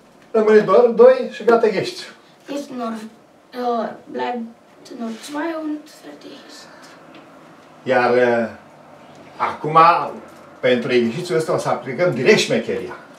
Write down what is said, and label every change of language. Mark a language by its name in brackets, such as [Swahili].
[Romanian] Rămâne doar 2 și gata ești. [German] Ist nur, bleibt nur 2 und fertig ist. [Romanian] Iar acum pentru exercițiul ăsta o să aplicăm direct șmecheria.